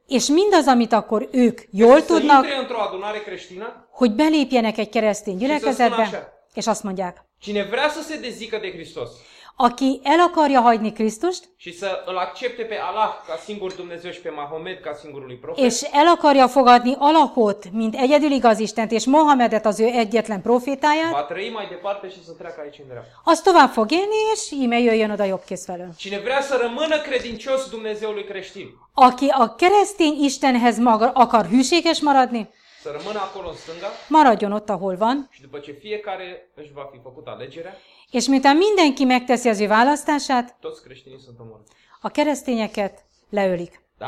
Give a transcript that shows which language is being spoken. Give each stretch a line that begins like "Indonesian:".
Hungarian: és mindaz, amit akkor ők jól tudnak, hogy belépjenek egy keresztény gyülekezetbe, és azt mondják.
Romanian: Cine vrea să se dezică de Hristos,
Hungarian: aki el akarja hagyni Krisztust,
Romanian: și să îl accepte pe Allah ca singur Dumnezeu și pe Mahomet ca singurului profet,
Hungarian: és el akarja fogadni Allahot, mint egyedül igaz Istent, és Mohamedet az ő egyetlen profétáját,
Romanian: va trăi mai departe și să treacă aici în dreapta.
Hungarian: Az tovább fog élni, és íme jöjjön oda jobb kész felől.
Romanian: Cine vrea să rămână credincios Dumnezeului creștin,
Hungarian: aki a keresztény Istenhez maga akar hűséges maradni,
Romanian: să rămână acolo în stânga,
Hungarian: maradjon ott, ahol van,
Romanian: și după ce fiecare își va fi făcut alegerea,
Hungarian: és miután mindenki megteszi az ő választását, a keresztényeket leölik.